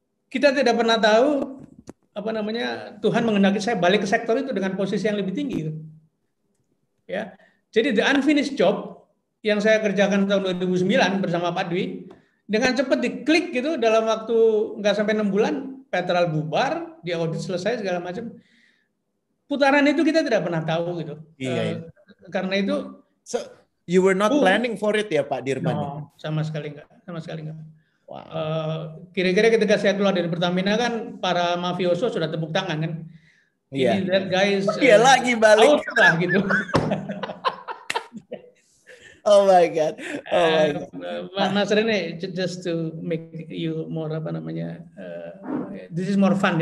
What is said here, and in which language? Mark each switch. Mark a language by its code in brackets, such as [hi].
[id] Kita tidak pernah tahu apa namanya Tuhan mengendaki saya balik ke sektor itu dengan posisi yang lebih tinggi gitu. Ya. Jadi [en] the unfinished job [id] yang saya kerjakan tahun 2009 bersama Pak Dwi dengan cepat diklik gitu dalam waktu enggak sampai 6 bulan Petrol bubar, di audit selesai segala macam. Putaran itu kita tidak pernah tahu gitu. Iya. Karena itu [en] so you were not planning for it ya Pak Dirman. [id] No, sama sekali enggak. Sama sekali enggak. Wow. Kira-kira ketika saya keluar dari Pertamina kan para mafioso sudah tepuk tangan kan. [en] Yeah. Ini that guys. [id] Iya lagi balik out, lah, gitu. [en] Oh my god. Oh my god. Mas Rene, just to make you more [id] apa namanya? [en] This is more fun ya.